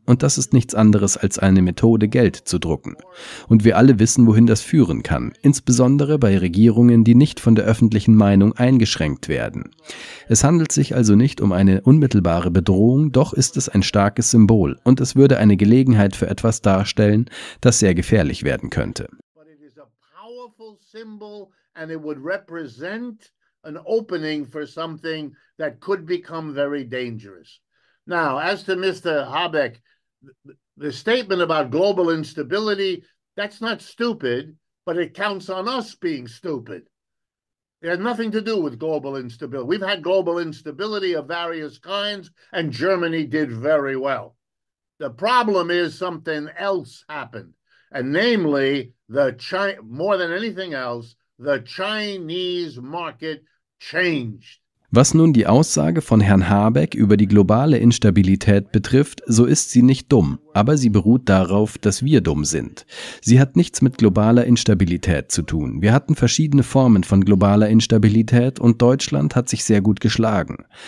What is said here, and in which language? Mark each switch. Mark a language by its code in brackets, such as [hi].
[de] Und das ist nichts anderes als eine Methode, Geld zu drucken. Und wir alle wissen, wohin das führen kann, insbesondere bei Regierungen, die nicht von der öffentlichen Meinung eingeschränkt werden. Es handelt sich also nicht um eine unmittelbare Bedrohung, doch ist es ein starkes Symbol und es wird würde eine Gelegenheit für etwas darstellen, das sehr gefährlich werden könnte. [en] But it is a powerful symbol and it would represent an opening for something that could become very dangerous. Now, as to Mr. Habeck, the statement about global instability, that's not stupid, but it counts on us being stupid. It had nothing to do with global instability. We've had global instability of various kinds, and Germany did very well. The problem is something else happened, and namely, more than anything else, the Chinese market changed. [de] Was nun die Aussage von Herrn Habeck über die globale Instabilität betrifft, so ist sie nicht dumm, aber sie beruht darauf, dass wir dumm sind. Sie hat nichts mit globaler Instabilität zu tun. Wir hatten verschiedene Formen von globaler Instabilität und Deutschland hat sich sehr gut geschlagen.